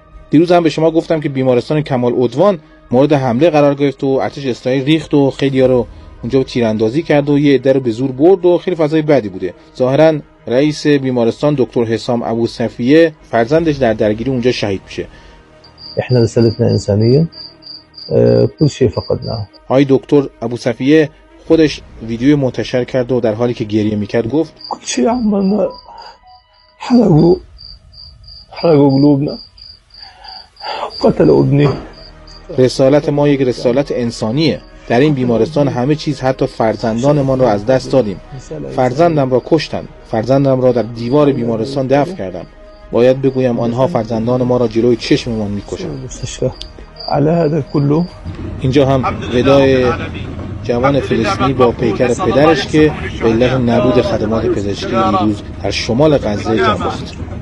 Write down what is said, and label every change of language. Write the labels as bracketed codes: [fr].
[fa] دیروز هم به شما گفتم که بیمارستان کمال عدوان مورد حمله قرار گرفت و ارتش اسرائیل ریخت و خیلی ها رو اونجا تیراندازی کرد و یه عده رو به زور برد و خیلی فضای بدی بوده. ظاهراً رئیس بیمارستان دکتر حسام ابو صفیه فرزندش در درگیری اونجا شهید میشه. [ar] احنا رسالتنا انسانیه، كل شيء فقدنا. [fa] آقای دکتر ابو صفیه خودش ویدیو منتشر کرد و در حالی که گریه میکرد گفت [ar] كل شيء عملنا حلقوا حلقوا قلوبنا قتل ابني. [fa] رسالت ما یک رسالت انسانیه. در این بیمارستان همه چیز حتی فرزندان ما را از دست دادیم. فرزندم را کشتن. فرزندم را در دیوار بیمارستان دفن کردم. باید بگویم آنها فرزندان ما را جلوی چشممان می‌کشند. اینجا هم وداعی جوان فلسطینی با پیکر پدرش که به علت نبود خدمات پزشکی امروز در شمال غزه جان باخت.